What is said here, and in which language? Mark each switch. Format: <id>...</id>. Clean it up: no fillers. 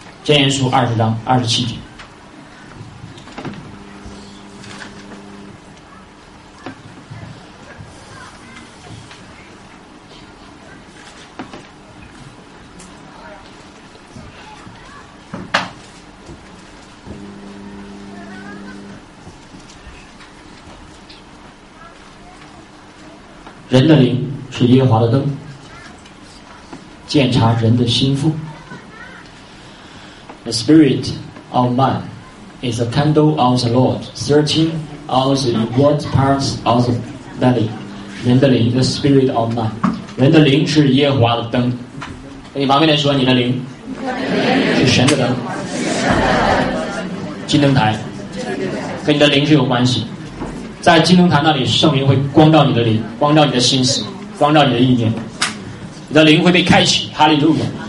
<zh>箴言书二十章二十七节，人的灵是耶和华的灯，检查人的心腹。</zh> <en>The spirit of man is a candle of the Lord, searching all the inward parts of the belly.</en> <zh>人的灵</zh> <en>The spirit of man,</en> <zh>人的灵是耶和华的灯。跟你旁边的说，你的灵是神的灯，金灯台跟你的灵是有关系。在金灯台那里，圣灵会光照你的灵，光照你的心思，光照你的意念，你的灵会被开启，哈利路亚。</zh>